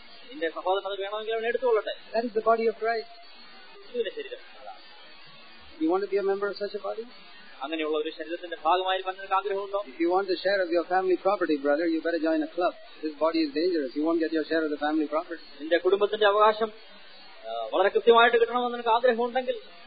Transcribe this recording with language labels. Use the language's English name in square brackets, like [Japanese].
[Malayalam] നിന്റെ സഹോദരൻ അത് വേണമെങ്കിൽ അവൻ എടുത്തുകൊള്ളട്ടെ. [English] That is the body of Christ. [Malayalam] ക്രിസ്തുവിന്റെ ശരീരം. [English] You want to be a member of such a body? [Malayalam] അങ്ങനെയുള്ള ഒരു ശരീരത്തിന്റെ ഭാഗമായി പറഞ്ഞിട്ട് ആഗ്രഹമുണ്ടോ? [English] If you want to share of your family property, brother, you better join a club. This body is dangerous. You won't get your share of the family property. [Malayalam] നിന്റെ കുടുംബത്തിന്റെ അവകാശം വളരെ കൃത്യമായിട്ട് കിട്ടണമെന്ന് നിനക്ക് ആഗ്രഹമുണ്ടെങ്കിൽ